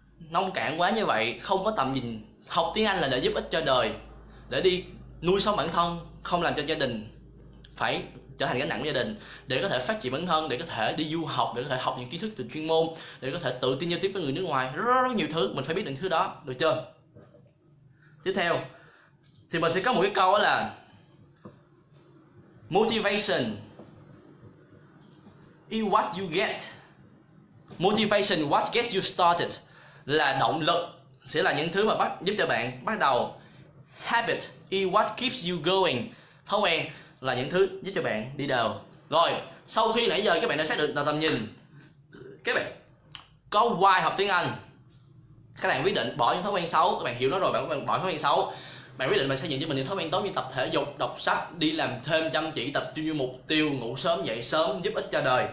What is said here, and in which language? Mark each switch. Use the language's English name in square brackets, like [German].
[Vietnamese] Nông cạn quá như vậy, không có tầm nhìn. Học tiếng Anh là để giúp ích cho đời, để đi nuôi sống bản thân, không làm cho gia đình phải trở thành gánh nặng của gia đình, để có thể phát triển bản thân, để có thể đi du học, để có thể học những kiến thức từ chuyên môn, để có thể tự tin giao tiếp với người nước ngoài, rất nhiều thứ, mình phải biết được thứ đó, được chưa? Tiếp theo, thì mình sẽ có một cái câu đó là [English] motivation is what you get. Motivation what gets you started. [Vietnamese] Là động lực sẽ là những thứ mà bắt giúp cho bạn bắt đầu. [English] Habit is what keeps you going. [Vietnamese] Thói quen là những thứ giúp cho bạn đi đều. Rồi, sau khi nãy giờ các bạn đã xác định là tầm nhìn, các bạn có [English] why [Vietnamese] học tiếng Anh, các bạn quyết định bỏ những thói quen xấu. Các bạn hiểu nó rồi, bạn bỏ thói quen xấu, bạn quyết định bạn xây dựng cho mình những thói quen tốt như tập thể dục, đọc sách, đi làm thêm chăm chỉ, tập trung như mục tiêu, ngủ sớm, dậy sớm, giúp ích cho đời.